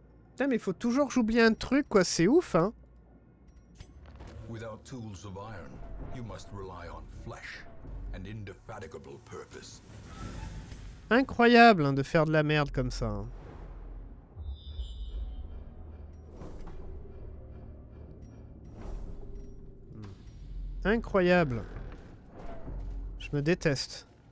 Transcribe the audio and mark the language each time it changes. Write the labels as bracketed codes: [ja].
[fr] Putain, mais il faut toujours que j'oublie un truc, quoi. C'est ouf, hein. [en] Without tools of iron, you must rely on flesh and indefatigable purpose. [fr] Incroyable hein, de faire de la merde comme ça. Incroyable. Je me déteste.